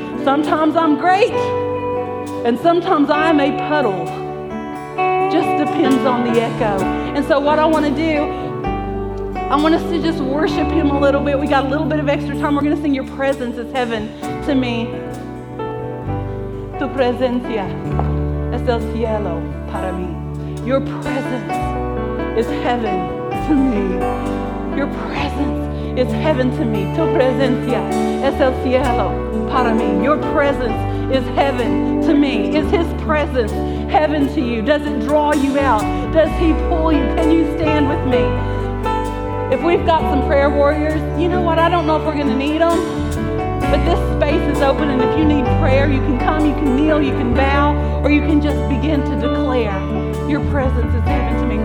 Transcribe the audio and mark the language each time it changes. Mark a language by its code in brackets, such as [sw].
[en] Sometimes I'm great, and sometimes I'm a puddle. Just depends on the echo. And so what I want to do, I want us to just worship Him a little bit. We got a little bit of extra time. We're going to sing "Your Presence is Heaven" to me. [es] Tu presencia es el cielo para mí. [en] Your presence is heaven to me. Your presence is heaven to me. [es] Tu presencia es el cielo para mí. [en] Your presence is heaven to me. Is His presence heaven to you? Does it draw you out? Does He pull you? Can you stand with me? If we've got some prayer warriors, you know what? I don't know if we're going to need them, but this space is open, and if you need prayer, you can come, you can kneel, you can bow, or you can just begin to declare, Your presence is heaven to me.